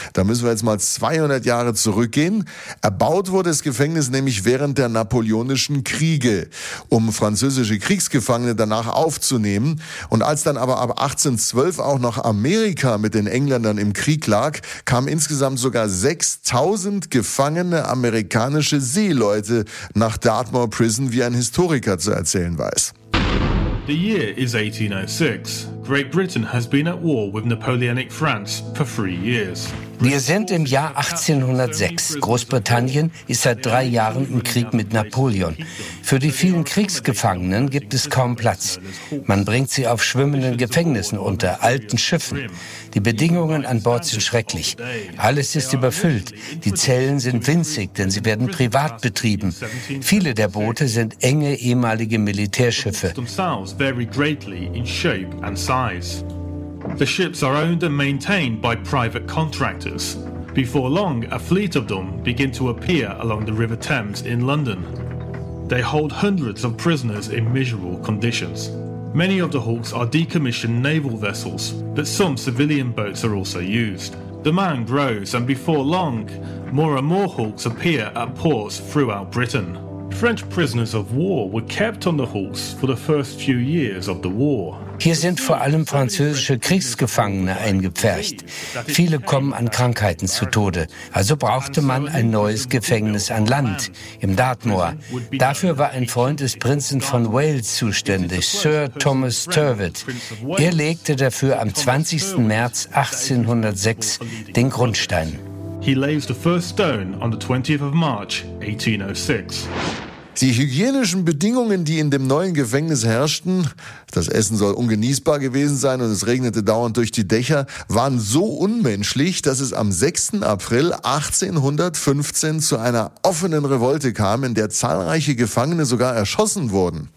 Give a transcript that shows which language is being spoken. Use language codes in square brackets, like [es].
[de] Da müssen wir jetzt mal 200 Jahre zurückgehen. Erbaut wurde das Gefängnis nämlich während der Napoleonischen Kriege, um französische Kriegsgefangene danach aufzunehmen. Und als dann aber ab 1812 auch noch Amerika mit den Engländern im Krieg lag, kamen insgesamt sogar 6000 gefangene amerikanische Seeleute nach Dartmoor Prison, wie ein Historiker zu erzählen weiß. [en] The year is 1806. Great Britain has been at war with Napoleonic France for 3 years. [de] Wir sind im Jahr 1806. Großbritannien ist seit 3 Jahren im Krieg mit Napoleon. Für die vielen Kriegsgefangenen gibt es kaum Platz. Man bringt sie auf schwimmenden Gefängnissen unter, alten Schiffen. Die Bedingungen an Bord sind schrecklich. Alles ist überfüllt. Die Zellen sind winzig, denn sie werden privat betrieben. Viele der Boote sind enge ehemalige Militärschiffe. [en] The ships are owned and maintained by private contractors. Before long, a fleet of them begin to appear along the River Thames in London. They hold hundreds of prisoners in miserable conditions. Many of the hulks are decommissioned naval vessels, but some civilian boats are also used. Demand grows, and before long, more and more hulks appear at ports throughout Britain. French prisoners of war were kept on the hulks for the first few years of the war. [de] Hier sind vor allem französische Kriegsgefangene eingepfercht. Viele kommen an Krankheiten zu Tode. Also brauchte man ein neues Gefängnis an Land, im Dartmoor. Dafür war ein Freund des Prinzen von Wales zuständig, Sir Thomas Tyrwhitt. Er legte dafür am 20. März 1806 den Grundstein. [en] He lays the first stone on the 20th of March 1806. [de] Die hygienischen Bedingungen, die in dem neuen Gefängnis herrschten, das Essen soll ungenießbar gewesen sein und es regnete dauernd durch die Dächer, waren so unmenschlich, dass es am 6. April 1815 zu einer offenen Revolte kam, in der zahlreiche Gefangene sogar erschossen wurden.